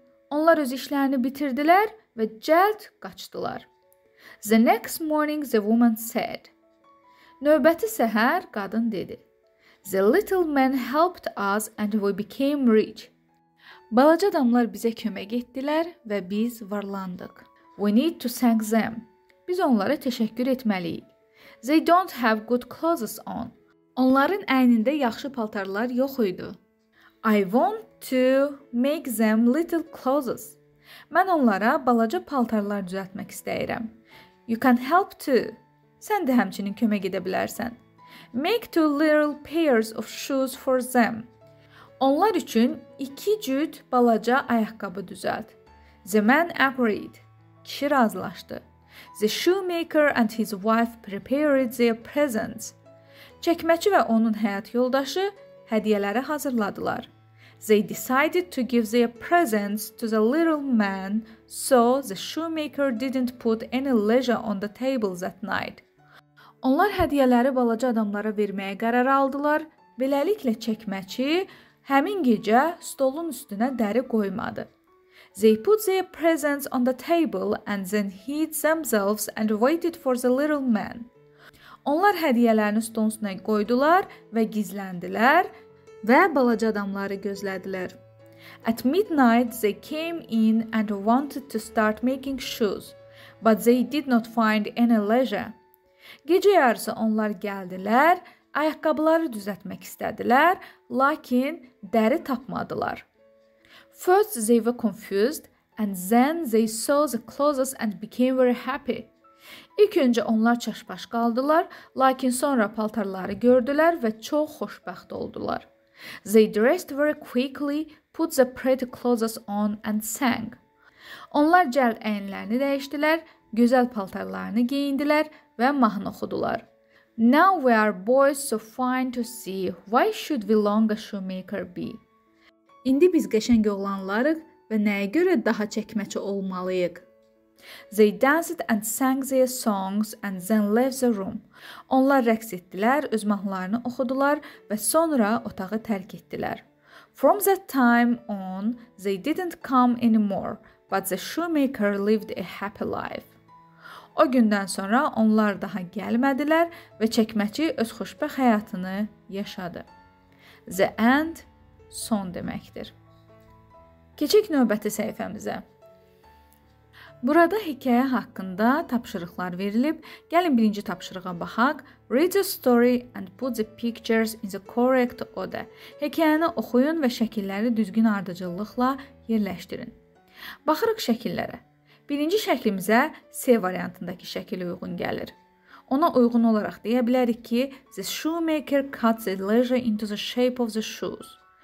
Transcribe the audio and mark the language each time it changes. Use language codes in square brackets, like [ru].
[az] Onlar öz işlərini bitirdilər və cəld qaçdılar. [en] The next morning the woman said. [az] Növbəti səhər qadın dedi. [en] The little men helped us and we became rich. [az] Balaca adamlar bizə kömək etdilər və biz varlandıq. [en] We need to thank them. [az] Biz onlara təşəkkür etməliyik. [en] They don't have good clothes on. [az] Onların əynində yaxşı paltarlar yox idi. [en] I want to make them little clothes. [az] Mən onlara balaca paltarlar düzəltmək istəyirəm. [en] You can help too. [az] Sən də həmçinin kömək edə bilərsən. [en] Make two little pairs of shoes for them. [az] Onlar üçün iki cüt balaca ayaqqabı düzəlt. [en] The man agreed. [az] Kişi razılaşdı. [en] The shoemaker and his wife prepared their presents. [az] Çəkməçi və onun həyat yoldaşı hədiyələri hazırladılar. [en] They decided to give their presents to the little man, so the shoemaker didn't put any leisure on the table that night. [az] Onlar hədiyələri balaca adamlara verməyə qərar aldılar. Beləliklə çəkməçi həmin gecə stolun üstünə dəri qoymadı. [en] They put their presents on the table and then hid themselves and waited for the little man. [az] Onlar hədiyələrini stolun üstünə qoydular və gizləndilər və balaca adamları gözlədilər. [en] At midnight they came in and wanted to start making shoes, but they did not find any leisure. [az] Gecə yarısı onlar gəldilər, ayaqqabıları düzəltmək istədilər, lakin dəri tapmadılar. [en] First they were confused and then they saw the clothes and became very happy. [az] İlk öncə onlar çaşbaş qaldılar, lakin sonra paltarları gördülər və çox xoşbəxt oldular. [en] They dressed very quickly, put the pretty clothes on and sang. [az] Onlar cəld əyinlərini dəyişdilər, gözəl paltarlarını geyindilər və mahnı oxudular. [en] Now we are boys so fine to see, why should we long a shoemaker be? [az] İndi biz qəşəng oğlanlarıq və nəyə görə daha çəkməçi olmalıyıq? [en] They danced and sang their songs and then left the room. [az] Onlar rəqs etdilər, öz mahnılarını oxudular və sonra otağı tərk etdilər. [en] From that time on, they didn't come anymore, but the shoemaker lived a happy life. [az] O gündən sonra onlar daha gəlmədilər və çəkməçi öz xoşbəxt həyatını yaşadı. [en] The end, [az] son deməkdir. Keçək növbəti səhifəmizə. Burada hekayə haqqında tapşırıqlar verilib. Gəlin birinci tapşırığa baxaq. Read the story and put the pictures in the correct order. Hekayəni oxuyun və şəkilləri düzgün ardıcıllıqla yerləşdirin. Baxırıq şəkillərə. Birinci şəklimizə C variantındakı şəkil uyğun gəlir. Ona uyğun olaraq deyə bilərik ki, [en] the shoemaker cut the leather into the shape of the shoes.